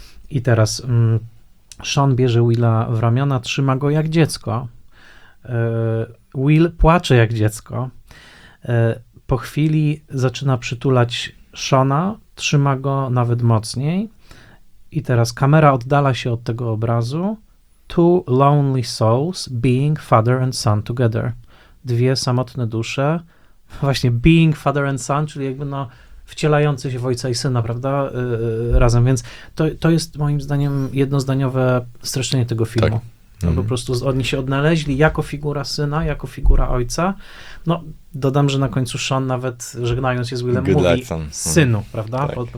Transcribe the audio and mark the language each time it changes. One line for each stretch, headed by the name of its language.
Polish: I teraz Sean bierze Willa w ramiona, trzyma go jak dziecko. Will płacze jak dziecko. Po chwili zaczyna przytulać Seana, trzyma go nawet mocniej. I teraz kamera oddala się od tego obrazu.
English: Two lonely souls being father and son together.
Polish: Dwie samotne dusze. Właśnie
English: being father and son,
Polish: czyli jakby no wcielający się w ojca i syna, prawda, razem, więc to jest moim zdaniem jednozdaniowe streszczenie tego filmu. Tak. Po prostu oni się odnaleźli jako figura syna, jako figura ojca. No, dodam, że na końcu Sean nawet żegnając się z Willem good mówi luck, synu, prawda, tak.